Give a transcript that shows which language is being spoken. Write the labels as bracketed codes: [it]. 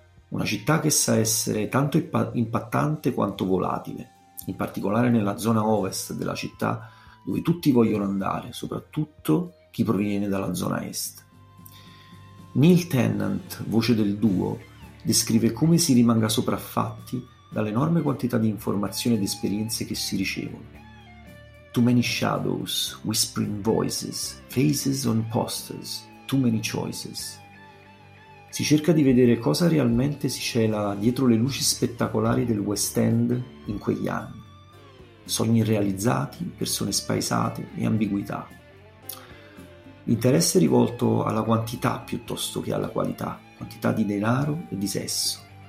[it] Una città che sa essere tanto impattante quanto volatile, in particolare nella zona ovest della città dove tutti vogliono andare, soprattutto chi proviene dalla zona est. Neil Tennant, voce del duo, descrive come si rimanga sopraffatti dall'enorme quantità di informazioni ed esperienze che si ricevono. [en] Too many shadows, whispering voices, faces on posters, too many choices. [it] Si cerca di vedere cosa realmente si cela dietro le luci spettacolari del West End in quegli anni. Sogni irrealizzati, persone spaesate e ambiguità. L'interesse è rivolto alla quantità piuttosto che alla qualità, quantità di denaro e di sesso.